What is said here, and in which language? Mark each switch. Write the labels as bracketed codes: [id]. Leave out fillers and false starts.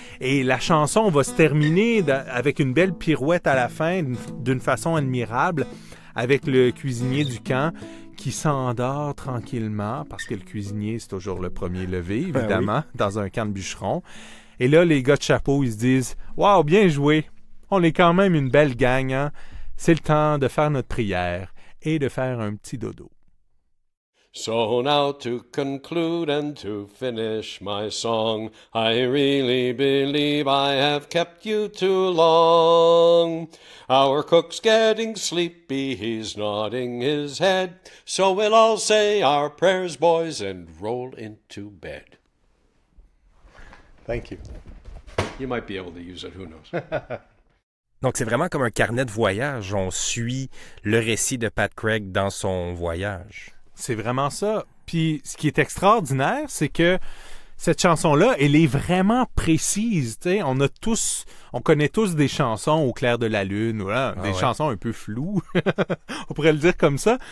[fr] Et la chanson va se terminer avec une belle pirouette à la fin, d'une façon admirable, avec le cuisinier du camp qui s'endort tranquillement, parce que le cuisinier, c'est toujours le premier levé, évidemment, ben oui. Dans un camp de bûcherons. Et là, les gars de Chapeau, ils se disent « Waouh, bien joué! On est quand même une belle gang, hein? C'est le temps de faire notre prière et de faire un petit dodo. » [en] So now to conclude and to finish my song, I really believe I have kept you too long. Our cook's getting sleepy, he's nodding his head, so we'll all say our prayers, boys, and roll into bed. Thank you. You might be able to use it, who knows. [fr] Donc, c'est vraiment comme un carnet de voyage. On suit le récit de Pat Gregg dans son voyage. C'est vraiment ça. Puis, ce qui est extraordinaire, c'est que cette chanson-là, elle est vraiment précise. T'sais, on connaît tous des chansons au clair de la lune, voilà, chansons un peu floues, on pourrait le dire comme ça.